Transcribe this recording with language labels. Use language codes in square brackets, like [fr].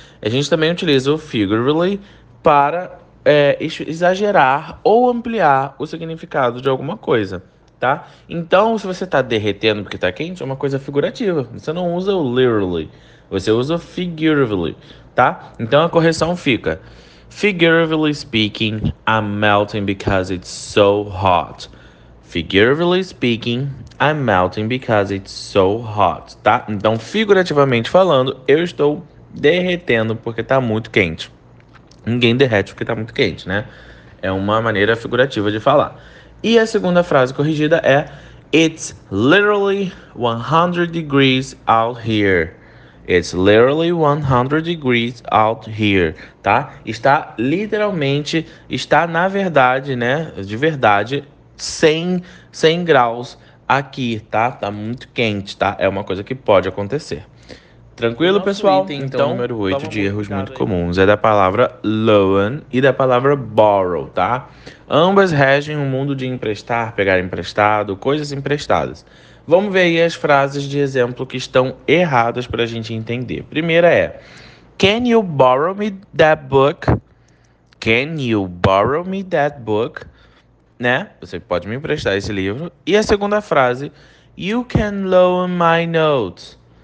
[pt] A gente também utiliza o figuratively para exagerar ou ampliar o significado de alguma coisa, tá? Então, se você está derretendo porque está quente, é uma coisa figurativa. Você não usa o literally, você usa o figuratively, tá? Então, a correção fica: [en] Figuratively speaking, I'm melting because it's so hot. Figuratively speaking, I'm melting because it's so hot, tá? [pt] Então, figurativamente falando, eu estou derretendo porque tá muito quente. Ninguém derrete porque tá muito quente, né? É uma maneira figurativa de falar. E a segunda frase corrigida é [en] It's literally 100 degrees out here. It's literally 100 degrees out here, tá? [pt] Está literalmente, está na verdade, né? De verdade, 100 graus aqui, tá? Tá muito quente, tá? É uma coisa que pode acontecer. Tranquilo, pessoal? Item, então, número 8 de erros muito comuns é da palavra loan e da palavra borrow, tá? Ambas regem o mundo de emprestar, pegar emprestado, coisas emprestadas. Vamos ver aí as frases de exemplo que estão erradas para a gente entender. Primeira é, [en] can you borrow me that book? Can you borrow me that book? Né? [pt] Você pode me emprestar esse livro. E a segunda frase, [en] you can loan my notes.